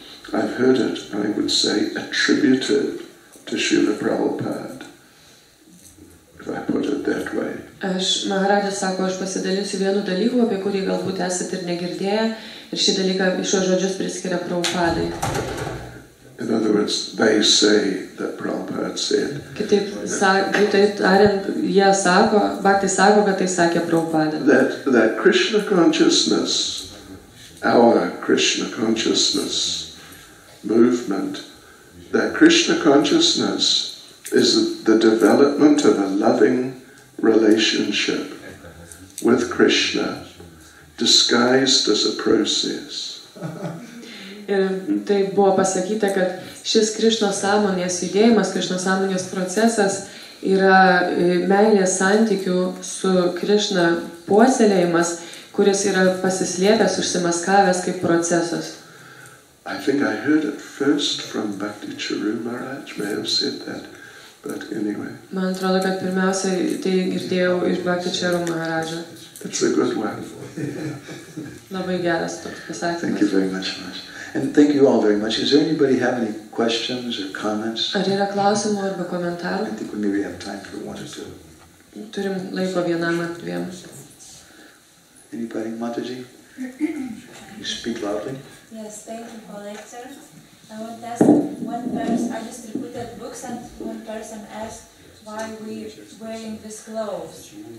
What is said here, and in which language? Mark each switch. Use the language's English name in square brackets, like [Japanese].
[English] I've heard it, I would say, attributed to Srila Prabhupada, if I put it that way. [Lithuanian] Aš, Maharadžas sako, aš pasidalinsiu vienu dalyku, apie kurį galbūt esat ir negirdėję, ir šį dalyką iš šios žodžius priskiria Prabhupadai. [English] In other words, they say that Prabhupada said. [Lithuanian] Kitaip tariant, jie sako, Bhakti sako, kad tai sakė Prabhupada. [English] That Krishna consciousness, our Krishna consciousness, movement, that Krishna consciousness is the development of a loving relationship with Krishna disguised as a process. [Lithuanian] Ir tai buvo pasakyta, kad šis Krishna sąmonės judėjimas, Krishna sąmonės procesas yra meilės santykių su Krishna puoselėjimas, kuris yra pasislėpęs, užsimaskavęs kaip procesas. [English] I think I heard it first from Bhakti Charu Maharaj, may have said that, but anyway. [Lithuanian] Man atrodo, kad pirmiausia tai girdėjau iš Bhakti Charu Maharaja. [English] It's a good one. [Lithuanian] Labai geras toks pasakymas. [English] Thank you very much, Maharaj. And thank you all very much. Does anybody have any questions or comments? [Lithuanian] Ar yra klausimų arba komentarų? [English] I think we maybe have time for one or two. [Lithuanian] Turim laiko vienam ar dviem. [English] Anybody? Mataji? You speak loudly? Yes, thank you for lecture. I want to ask, one person, I distributed books and one person asked why we wearing these clothes.